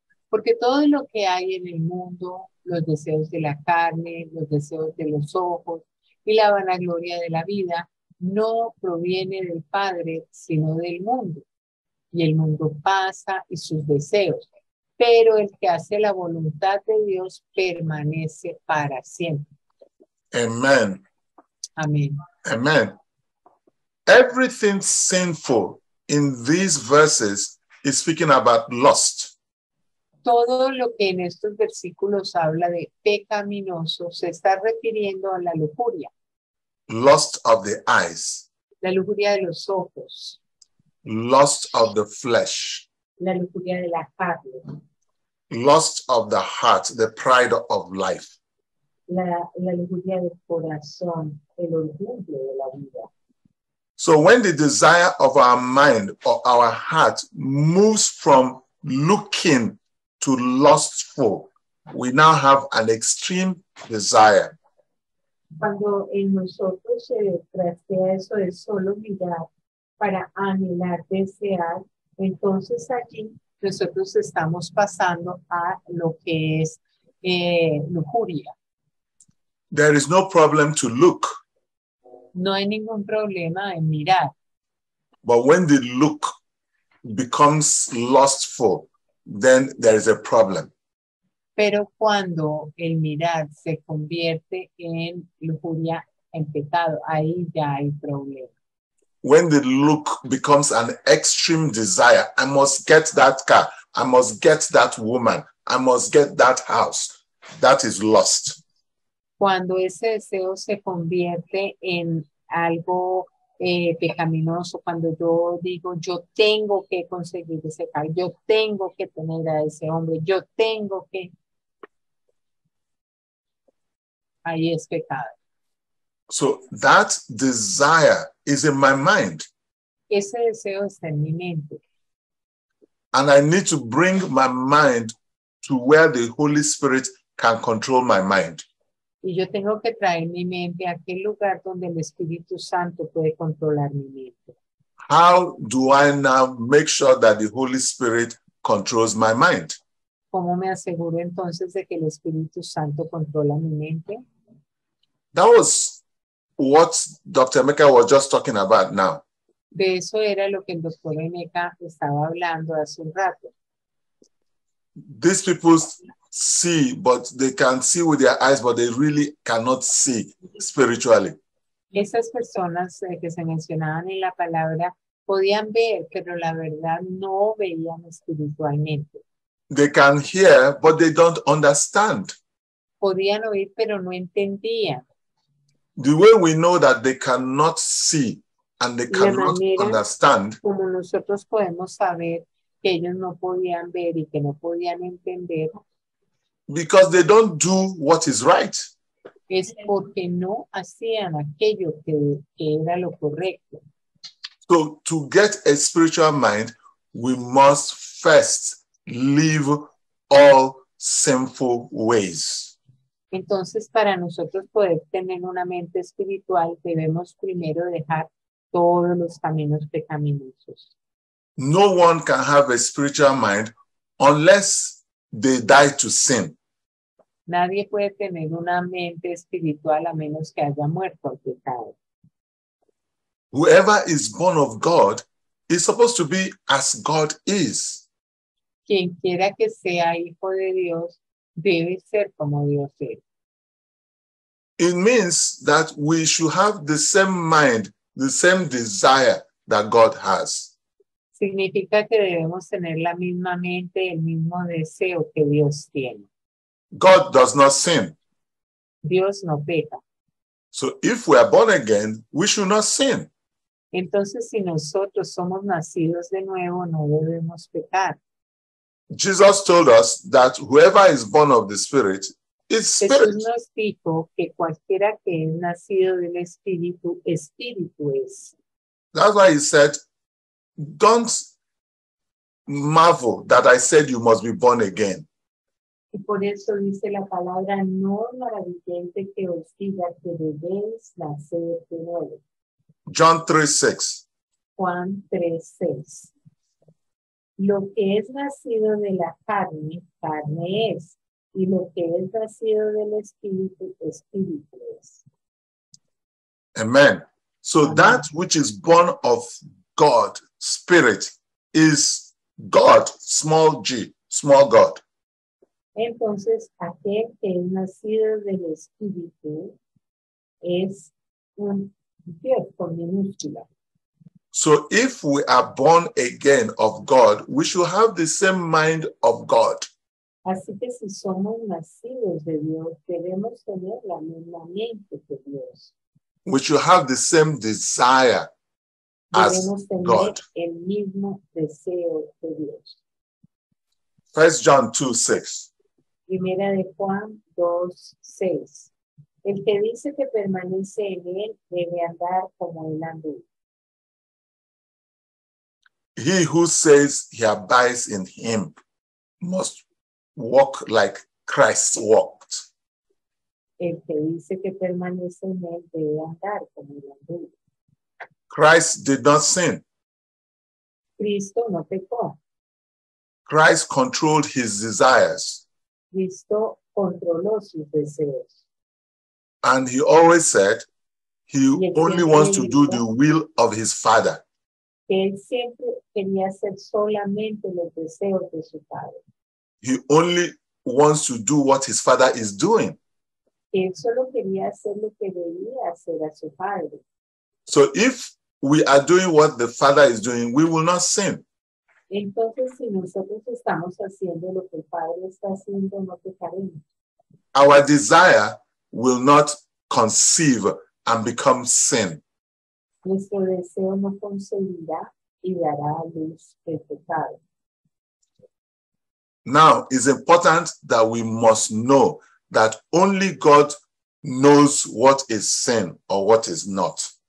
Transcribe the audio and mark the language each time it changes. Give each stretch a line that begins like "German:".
Spanish: Porque todo lo que hay en el mundo, los deseos de la carne, los deseos de los ojos y la vanagloria de la vida, no proviene del Padre, sino del mundo. Y el mundo pasa y sus deseos. Pero el que hace la voluntad de Dios permanece para siempre. Amen. Amen. Amen.
English: Everything sinful in these verses is speaking about lust.
Spanish: Todo lo que en estos versículos habla de pecaminoso se está refiriendo a la lujuria.
English: Lust of the eyes.
Spanish: La lujuria de los ojos.
English: Lust of the flesh.
Spanish: La lujuria de la carne.
English: Lust of the heart, the pride of life.
Spanish: La lujuria del corazón, el orgullo de la vida.
English: So when the desire of our mind or our heart moves from looking to lustful, we now have an extreme desire.
Spanish: Cuando en nosotros se trastea eso de solo mirar para anhelar, desear, entonces allí nosotros estamos pasando a lo que es lujuria.
English: There is no problem to look.
Spanish: No hay ningún problema en mirar.
English: But when the look becomes lustful, then there is a problem.
Spanish: Pero cuando el mirar se convierte en lujuria, en pecado, ahí ya hay problema.
English: When the look becomes an extreme desire, I must get that car, I must get that woman, I must get that house, that is lust.
Spanish: Cuando ese deseo se convierte en algo pecaminoso, cuando yo digo, yo tengo que conseguir ese carro, yo tengo que tener a ese hombre, yo tengo que, ahí es pecado.
English: So that desire is in my mind.
Spanish: Ese deseo está en mi mente.
English: And I need to bring my mind to where the Holy Spirit can control my mind.
Spanish: Y yo tengo que traer mi mente a aquel lugar donde el Espíritu Santo puede controlar mi mente.
English: How do I now make sure that the Holy Spirit controls my mind?
Spanish: ¿Cómo me aseguro entonces de que el Espíritu Santo controla mi mente?
English: That was what Dr. Emeka was just talking about now.
Spanish: De eso era lo que el Dr. Emeka estaba hablando hace un rato.
English: These people see, but they can see with their eyes, but they really cannot see spiritually.
Spanish: Esas personas que se mencionaban en la palabra podían ver, pero la verdad no veían espiritualmente.
English: They can hear, but they don't understand.
Spanish: Podían oír, pero no entendían.
English: The way we know that they cannot see and they cannot understand.
Spanish: Como nosotros podemos saber que ellos no podían ver y que no podían entender.
English: Because they don't do what is right.
Spanish: Es porque no hacían aquello que era lo correcto.
English: So to get a spiritual mind, we must first leave all sinful ways.
Spanish: Entonces, para nosotros poder tener una mente espiritual, debemos primero dejar todos los caminos pecaminosos.
English: No one can have a spiritual mind unless they die to sin.
Spanish: Nadie puede tener una mente espiritual a menos que haya muerto al pecado.
English: Whoever is born of God is supposed to be as God is.
Spanish: Quien quiera que sea hijo de Dios debe ser como Dios es.
English: It means that we should have the same mind, the same desire that God has.
Spanish: Significa que debemos tener la misma mente, el mismo deseo que Dios tiene.
English: God does not sin.
Spanish: Dios no peca.
English: So if we are born again, we should not sin.
Spanish: Entonces, si nosotros somos nacidos de nuevo, no debemos pecar.
English: Jesus told us that whoever is born of the Spirit is spirit.
Spanish: Jesús nos dijo que cualquiera que es nacido del Espíritu, Espíritu es.
English: That's why he said, don't marvel that I said you must be born again.
Spanish: Y por eso dice la palabra, no maravilléis de que os diga que debéis nacer de nuevo. Juan 3:6. Lo que es nacido de la carne, carne es. Y lo que es nacido del espíritu, espíritu es.
English: Amen. So Amen. That which is born of God, spirit, is God, small g, small God.
Spanish: Entonces, aquel que es nacido del Espíritu es un Dios con minúscula.
English: So, if we are born again of God, we should have the same mind of God.
Spanish: Así que si somos nacidos de Dios, debemos tener la misma mente que Dios.
English: We should have the same desire as God.
Spanish: Debemos tener el mismo deseo que Dios.
English: 1 John 2:6.
Spanish: Primera de Juan 2:6. El que dice que permanece en él debe andar como él anduvo.
English: He who says he abides in him must walk like Christ walked.
Spanish: El que dice que permanece en él debe andar como él anduvo.
English: Christ did not sin.
Spanish: Cristo no pecó.
English: Christ controlled his desires.
Spanish: Cristo controló sus deseos.
English: And he always said he only wants to do the will of his Father.
Spanish: Él siempre quería hacer solamente los deseos de su padre.
English: He only wants to do what his Father is doing.
Spanish: Él solo quería hacer lo que debía hacer a su padre.
English: So if we are doing what the Father is doing, we will not sin.
Spanish: Entonces, si nosotros estamos haciendo lo que el Padre está haciendo, no pecaremos.
English: Our desire will not conceive and become sin.
Spanish: Nuestro deseo no concebirá y dará a luz el pecado.
English: Now, it's important that we must know that only God knows what is sin or what is not.